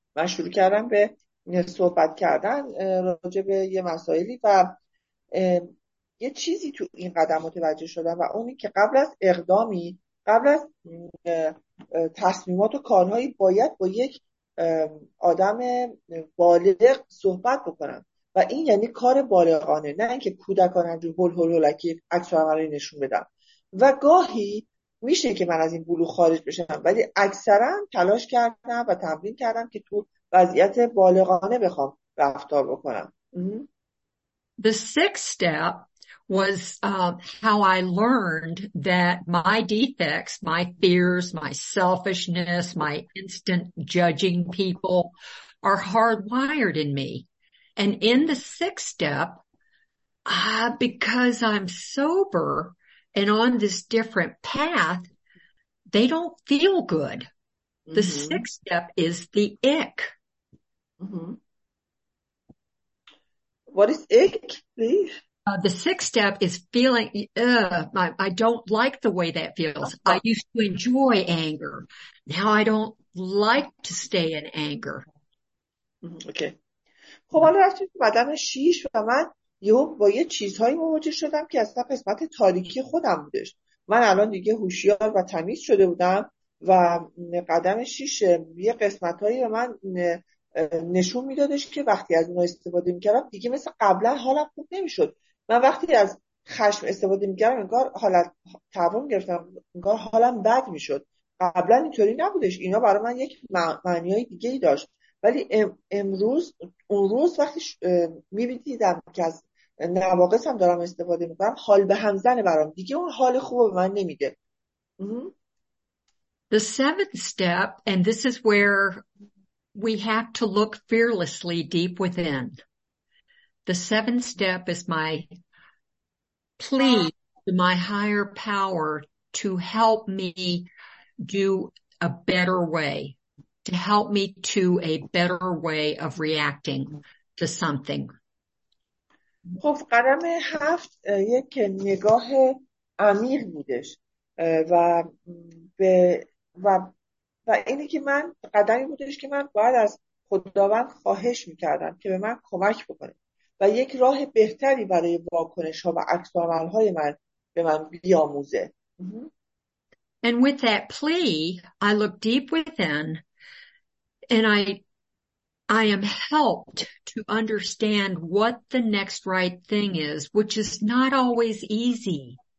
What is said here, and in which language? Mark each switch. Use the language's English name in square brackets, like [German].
[Persian] من شروع کردم به صحبت کردن راجع به یه مسائلی و یه چیزی تو این قدم متوجه شدم و اونی که قبل از اقدامی، قبل از تصمیمات و کارهایی باید با یک آدم بالغ صحبت بکنم و این یعنی کار بالغانه، نه اینکه کودکانه جو هول هول هولکی عکس عملی نشون بدم. و گاهی میشه که من از این بلو خارج بشم، ولی اکثرا تلاش کردم و تمرین کردم که تو وضعیت بالغانه بخوام رفتار بکنم. [English] The sixth step was how I learned that my defects, my fears, my selfishness, my instant judging people are hardwired in me. And in the sixth step, because I'm sober and on this different path, they don't feel good. The sixth step is the ick. What is ick, please? The sixth step is feeling, I don't like the way that feels. I used to enjoy anger. Now I don't like to stay in anger. Okay. [Persian] خب حالا رفتیم به بدن شیش و من یهو با یه چیزهایی مواجه شدم که اصلا قسمت تاریکی خودم بودش. من الان دیگه هوشیار و تمیز شده بودم و قدم شیش یه قسمتهایی به من نشون میدادش که وقتی از اونها استفاده میکردم دیگه مثل قبلا حالم خوب نمیشد. من وقتی از خشم استفاده میکردم انگار حالت تعوام گرفتم، انگار حالم بد میشد. قبلا اینطوری نبودش، اینا برای من یک معنیای دیگه ای داشت. ولی امروز اون روز وقتی میبینیدم که از نواقصم دارم استفاده میکنم، حال به هم زنه برام، دیگه اون حال خوب به من نمیده. [English] The seventh step, and this is where we have to look fearlessly deep within. The seventh step is my plea to my higher power to help me do a better way, to help me to a better way of reacting to something. [Persian] خب قدم هفت یک نگاه عمیق بودش و به و اینه که من قدمی بودش که من باید از خداوند خواهش میکردم که به من کمک بکنه و یک راه بهتری برای واکنش ها و عکس‌العمل های من به من بیاموزه. [English] And with that plea, I look deep within and I am helped to understand what the next right thing is, which is not always easy.